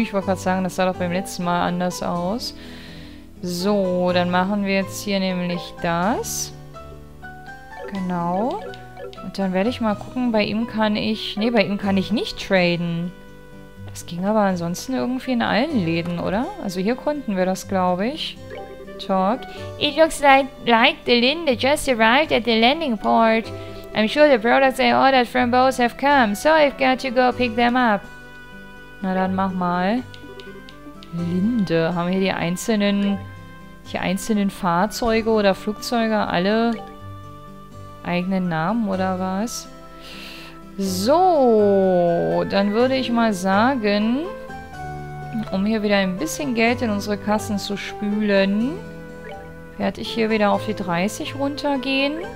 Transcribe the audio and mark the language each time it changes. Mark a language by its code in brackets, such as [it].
[de] Ich wollte gerade sagen, das sah doch beim letzten Mal anders aus. So, dann machen wir jetzt hier nämlich das. Genau. Und dann werde ich mal gucken, bei ihm kann ich... Nee, bei ihm kann ich nicht traden. Das ging aber ansonsten irgendwie in allen Läden, oder? Also hier konnten wir das, glaube ich. Talk. [en] It looks like the Linde just arrived at the landing port. I'm sure the products I ordered from both have come, so I've got to go pick them up. [de] Na dann mach mal. Linde, haben wir hier die einzelnen Fahrzeuge oder Flugzeuge alle eigenen Namen oder was? So, dann würde ich mal sagen, um hier wieder ein bisschen Geld in unsere Kassen zu spülen, werde ich hier wieder auf die 30 runtergehen.